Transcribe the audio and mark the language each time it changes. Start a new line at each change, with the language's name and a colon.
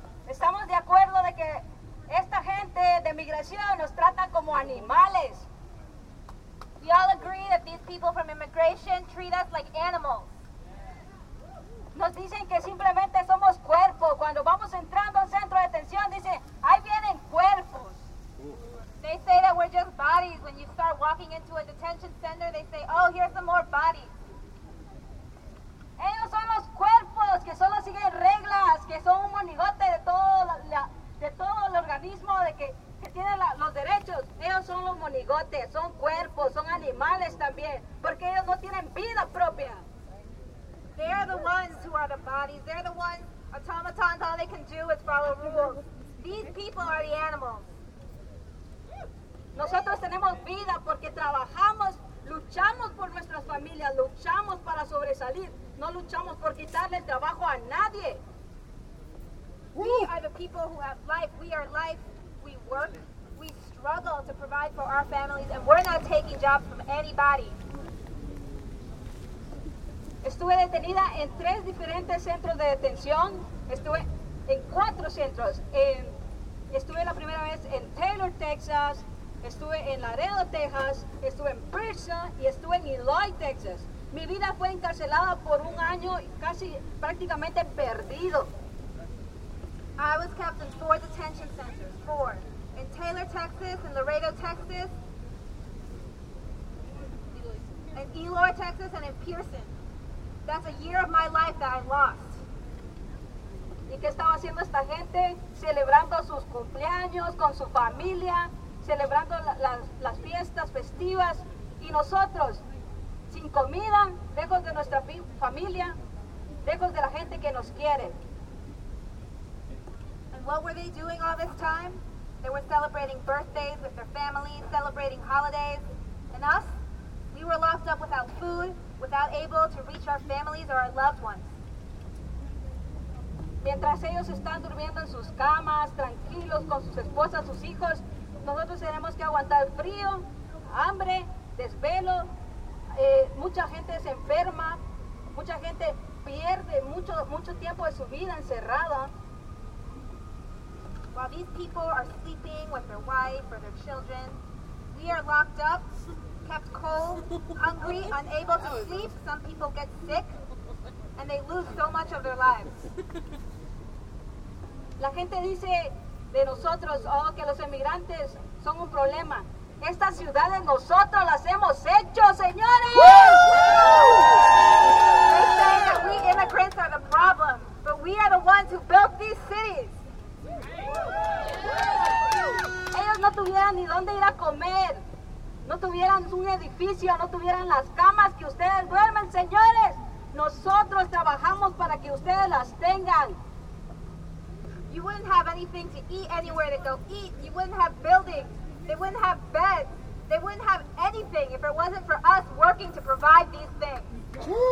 Spanish: Estamos de acuerdo de que esta gente de migración nos trata como animales.
English: We all agree that these people from immigration treat us like animals.
Spanish: Nos dicen que simplemente somos cuerpos. Cuando vamos entrando al centro de detención, dicen, ahí vienen cuerpos.
English: They say that we're just bodies. When you start walking into a detention center, they say, oh, here's some more bodies.
Spanish: Ellos son los cuerpos que solo siguen reglas, que son un monigote de todo el organismo que tiene los derechos. Ellos son los monigotes, son cuerpos, son animales también, porque ellos no tienen vida propia.
English: They are the ones who are the bodies. They're the ones, automatons, all they can do is follow rules. These people are the animals.
Spanish: Nosotros tenemos vida porque trabajamos, luchamos por nuestras familias, luchamos para sobresalir. No luchamos por quitarle el trabajo a nadie.
English: We are the people who have life. We are life. We work. We struggle to provide for our families, and we're not taking jobs from anybody.
Spanish: Estuve detenida en tres diferentes centros de detención. Estuve en cuatro centros. Estuve la primera vez en Taylor, Texas. Estuve en Laredo, Texas. Estuve en Pearson y estuve en Eloy, Texas. Mi vida fue encarcelada por un año, casi prácticamente perdido.
English: I was kept in four detention centers. Four. In Taylor, Texas, in Laredo, Texas, in Eloy, Texas, and in Pearson. That's a year of my life that I lost.
Spanish: ¿Y qué estaba haciendo esta gente? Celebrando sus cumpleaños con su familia, celebrando las fiestas festivas. Y nosotros, sin comida, lejos de nuestra familia, lejos de la gente que nos quiere.
English: And what were they doing all this time? They were celebrating birthdays with their families, celebrating holidays. And us? We were locked up without food, without able to reach our families or our loved ones.
Spanish: Mientras ellos están durmiendo en sus camas, tranquilos con sus esposas, sus hijos, nosotros tenemos que aguantar frío, hambre, desvelo. Mucha gente se enferma, mucha gente pierde mucho tiempo de su vida encerrada.
English: While these people are sleeping with their wife or their children, we are locked up, kept cold, hungry, unable to sleep. Some people get sick and they lose so much of their lives.
Spanish: La gente dice de nosotros, oh, que los emigrantes son un problema. Estas ciudades nosotros las hemos hecho, señores.
English: They say that we immigrants are the problem, but we are the ones who built these cities.
Spanish: Ellos no tuvieran ni dónde ir a comer, no tuvieran un edificio, no tuvieran las camas que ustedes duermen, señores. Nosotros trabajamos para que ustedes las tengan.
English: You wouldn't have anything to eat, anywhere to go eat. You wouldn't have buildings. They wouldn't have beds. They wouldn't have anything if it wasn't for us working to provide these things.